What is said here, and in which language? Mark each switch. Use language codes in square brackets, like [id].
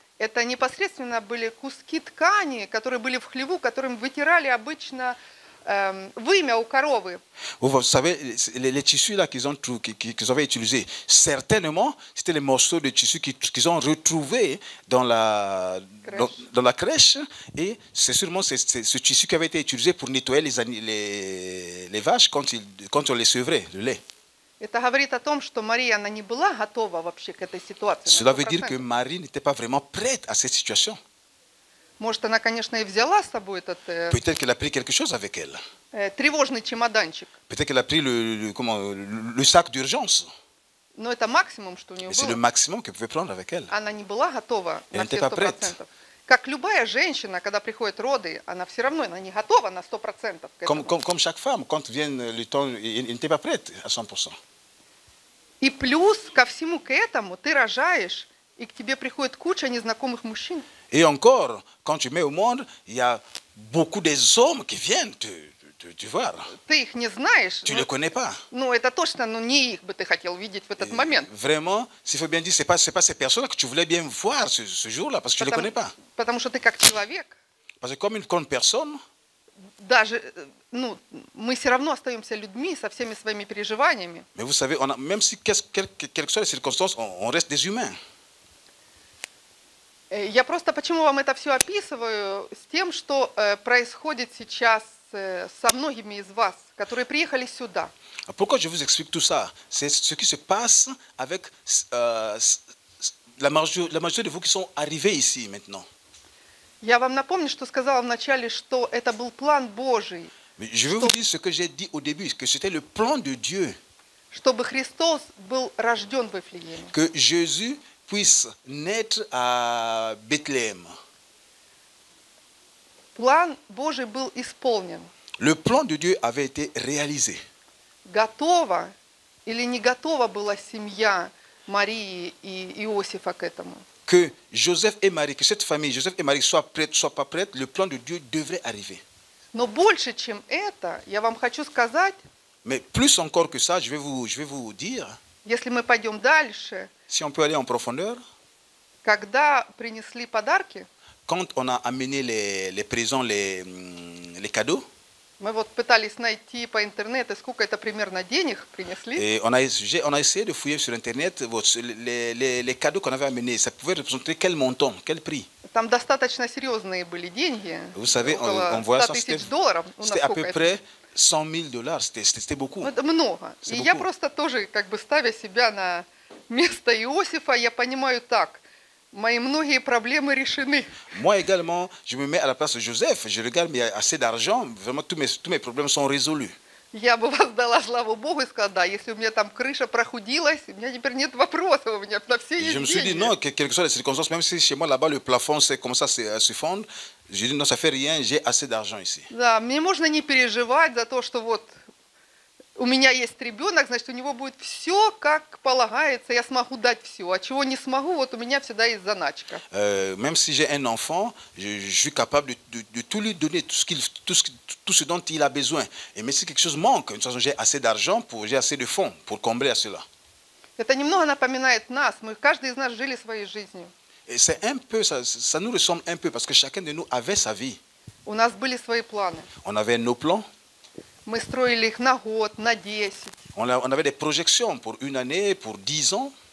[ru] Это непосредственно были куски ткани, которые были в хлеву, которым вытирали обычно вымя у коровы. [fr] Vous savez, les tissus là qu'ils avaient utilisés, certainement, c'était les morceaux de tissu qu'ils ont retrouvés dans la crèche, et c'est sûrement ce tissu qui avait été utilisé pour nettoyer les vaches quand on les sevrait, le lait. [ru] Это говорит о том, что Мария, она не была готова вообще к этой ситуации. [fr] Cela veut dire que Marie n'était pas vraiment prête à cette situation. [ru] Может, она, конечно, и взяла с собой этот. [fr] Peut-être qu'elle a pris quelque chose avec elle. [ru] Тревожный чемоданчик. [fr] Peut-être qu'elle a pris le sac d'urgence. [ru] Но это максимум, что у нее было. [fr] C'est le maximum qu'elle pouvait prendre avec elle. [ru] Она не была готова. [fr] Elle n'était pas prête. [ru] Как любая женщина, когда приходят роды, она все равно, она не готова на 100%. [fr] Comme chaque femme, quand vient le temps, elle n'était pas prête à 100%. [ru] И плюс ко всему к этому ты рожаешь, и к тебе приходит куча незнакомых мужчин. [fr] Et encore, quand tu mets au monde, il y a beaucoup des hommes qui viennent te voir. [ru] Ты их не знаешь. [fr] Tu ne les connais pas. [ru] Ну, это точно, ну не их бы ты хотел видеть в этот момент. [fr] Vraiment, s'il faut bien dire, c'est pas ces personnes que tu voulais bien voir ce jour-là, parce que tu ne les connais pas. [ru] Потому что ты как человек. [fr] Parce que comme une grande personne. [ru] Даже, ну, мы все равно остаемся людьми со всеми своими переживаниями. [fr] Mais vous savez, même si quelles que soient les circonstances, on reste des humains. [ru] Я просто почему вам это все описываю с тем, что происходит сейчас со многими из вас, которые приехали сюда. [fr] Pourquoi je vous explique tout ça? C'est ce qui se passe avec la majorité de vous qui sont arrivés ici maintenant. [ru] Я вам напомню, что сказала в начале, что это был план Божий. [fr] Mais je veux vous dire ce que j'ai dit au début, que c'était le plan de Dieu. [ru] Чтобы Христос был рожден в Вифлееме. [fr] Que Jésus puisse naître à Bethléem. [ru] План Божий был исполнен. [fr] Le plan de Dieu avait été réalisé. [ru] Готова или не готова была семья Марии и Иосифа к этому? [fr] Que Joseph et Marie, que cette famille, Joseph et Marie, soient prêtes, soient pas prêtes, le plan de Dieu devrait arriver. [ru] Но больше, чем это, я вам хочу сказать. [fr] Mais plus encore que ça, je vais vous dire. [ru] Если мы пойдем дальше. [fr] Si on peut aller en profondeur. [ru] Когда принесли подарки. [fr] Quand on a amené les présents, les cadeaux. [ru] Мы вот пытались найти по интернету, сколько это примерно денег принесли. [fr] On a essayé de fouiller sur internet [ru] вот, [fr] les cadeaux qu'on avait amenés. Ça pouvait représenter quel montant, quel prix. [ru] Там достаточно серьезные были деньги. [fr] Vous savez, [ru] около 100 000 долларов. [fr] C'était à peu près 100 000 dollars. C'était beaucoup. [ru] Это много. И я просто тоже как бы ставя себя на место Иосифа, я понимаю так. Мои многие проблемы решены. [fr] Moi également, je me mets à la place de Joseph. Je regarde, mais il y a assez d'argent. Vraiment, tous mes problèmes sont résolus. [ru] Я бы воздала славу Богу и сказала, да, если у меня там крыша прохудилась, у меня теперь нет вопросов, у меня на все есть деньги. [fr] Je me suis dit, non, quelles que soient les circonstances, même si chez moi, là-bas, le plafond, c'est comme ça, c'est s'effondre, je dis, non, ça fait rien, j'ai assez d'argent ici. [ru] Да, мне можно не переживать за то, что вот у меня есть ребенок, значит, у него будет все, как полагается, я смогу дать все. А чего не смогу, вот у меня всегда есть заначка. [fr] Même si j'ai un enfant, je suis capable de tout lui donner, tout ce dont il a besoin. Et même si quelque chose manque, de toute façon, j'ai assez d'argent, j'ai assez de fonds pour combler à cela. [ru] Это немного напоминает нас, мы, каждый из нас жили своей жизнью. [fr] Et c'est un peu, ça nous ressemble un peu, parce que chacun de nous avait sa vie. [ru] У нас были свои планы. [fr] On avait nos plans. [ru] Мы строили их на год, на 10. [fr] On avait des projections pour une année, pour 10 ans.